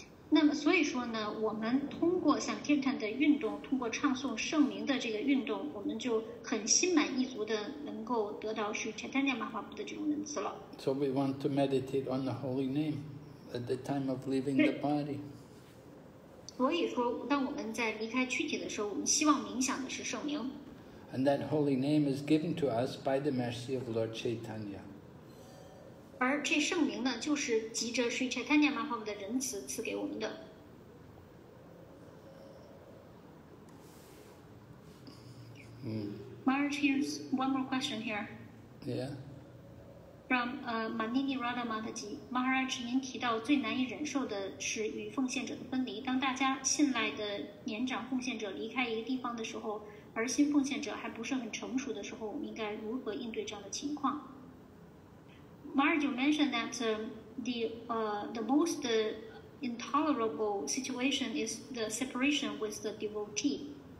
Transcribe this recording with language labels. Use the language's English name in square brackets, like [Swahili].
[Chinese] 那么所以说呢，我们通过Sankirtan的运动，通过唱诵圣名的这个运动，我们就很心满意足的能够得到Sri Chaitanya Mahaprabhu的这种仁慈了。 [English] So we want to meditate on the holy name at the time of leaving the body. [Chinese] 所以说，当我们在离开躯体的时候，我们希望冥想的是圣名。 [English] And that holy name is given to us by the mercy of Lord Chaitanya. [Chinese] 而这圣名呢，就是藉着Sri Chaitanya Mahaprabhu的仁慈赐给我们的。 [English] Maharaj, here's one more question here. Yeah. From Manini Radha Mataji. [Chinese] Maharaj, 您提到最难以忍受的是与奉献者的分离。当大家信赖的年长奉献者离开一个地方的时候，而新奉献者还不是很成熟的时候，我们应该如何应对这样的情况？ [English] Maharaj, you mentioned that the most intolerable situation is the separation with the devotee.